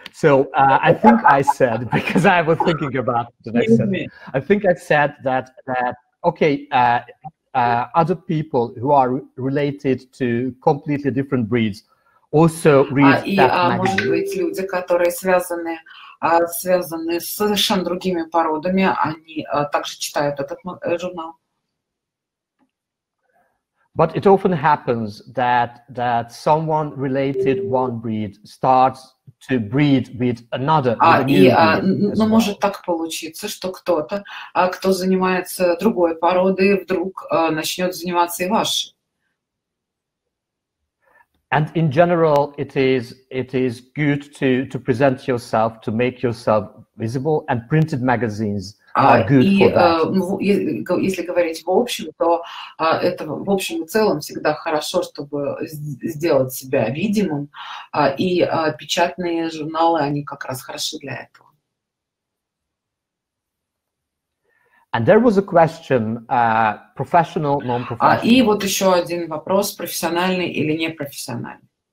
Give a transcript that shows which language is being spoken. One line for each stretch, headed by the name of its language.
English: So I think I said, because I was thinking about the next sentence, I think I said that okay, other people who are related to completely different breeds also read that magazine.
Russian: Может быть, люди, которые связаны с совершенно другими породами, они также читают этот журнал.
English: But it often happens that someone related one breed starts to breed with another.
Russian: Но может так получиться, что кто-то, кто занимается другой породой, вдруг начнет заниматься и вашей.
English: And in general, it is good to present yourself, to make yourself visible, and printed magazines.
Russian: Если говорить в общем, то это в общем и целом всегда хорошо, чтобы сделать себя видимым, и печатные журналы, они как раз хороши для этого.
English: And there was a question, professional, non-professional.
Russian: И вот еще один вопрос, профессиональный или непрофессиональный.